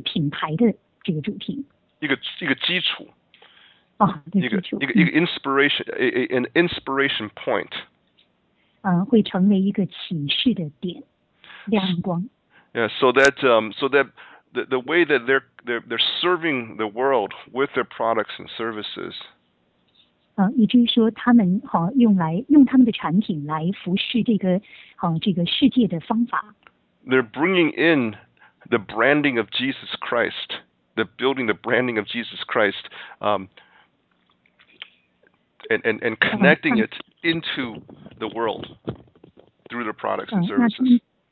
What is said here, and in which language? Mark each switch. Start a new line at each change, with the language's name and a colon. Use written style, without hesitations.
Chinese: 那这样子的一个主题将会成为这些公司他们的产品的年度的品牌的这个主题。一个基础。一个
English: inspiration, an inspiration point.
Chinese: 会成为一个启示的点，亮光。
English: Yeah, so that the way that they're serving the world with their products and services.
Chinese: 以至于说他们用他们的产品来服侍这个世界的方法。
English: They're bringing in the branding of Jesus Christ, the building the branding of Jesus Christ, and connecting it into the world through their products and services.